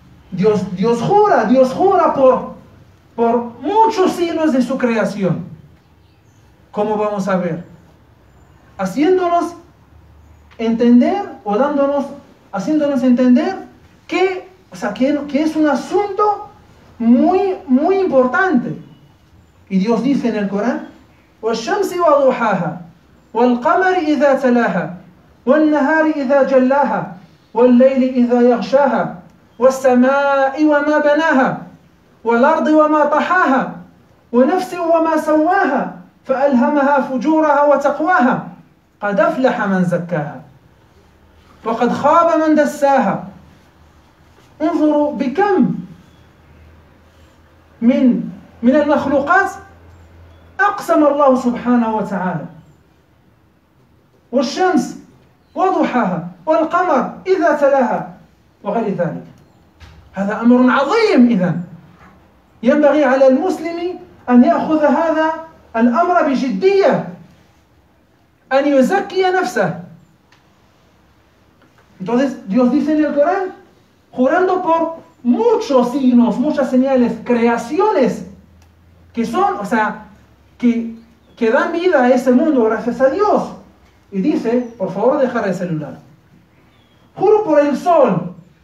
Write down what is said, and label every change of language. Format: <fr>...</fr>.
<es>Dios jura por muchos siglos de su creación. ¿Cómo vamos a ver? Haciéndonos entender o haciéndonos entender que, o sea, que es un asunto muy, muy importante. Y Dios dice en el Corán:</es> <ar>وَالشَّمْسِ وَضُحَاهَا وَالْقَمَرِ إِذَا تَلَاهَا وَالنَّهَارِ إِذَا جَلَّاهَا وَالْلَيْلِ إِذَا يَغْشَاهَا وَالسَّمَاءِ وَمَا بَنَاهَا وَالْأَرْضِ وَمَا طَحَاهَا وَنَفْسٍ وَمَا سَوَّاهَا فَأَلْهَمَهَا فُجُورَهَا وَتَقْوَاهَا قَدْ أَفْلَحَ مَنْ زَكَّاهَا وَقَدْ خَابَ مَنْ دَسَّاهَا. انظروا بكم من المخلوقات أقسم الله سبحانه وتعالى: والشمس وضحاها والقمر إذا تلاها وغير ذلك. هذا أمر عظيم. إذن ينبغي على المسلم أن يأخذ هذا الأمر بجدية، أن يزكي نفسه.</ar> <es>Entonces Dios dice en el Corán, jurando por muchos signos, muchas señales, creaciones que son, o sea, que dan vida a ese mundo gracias a Dios. Y dice: por favor, dejar el celular. Juro por el sol.</es>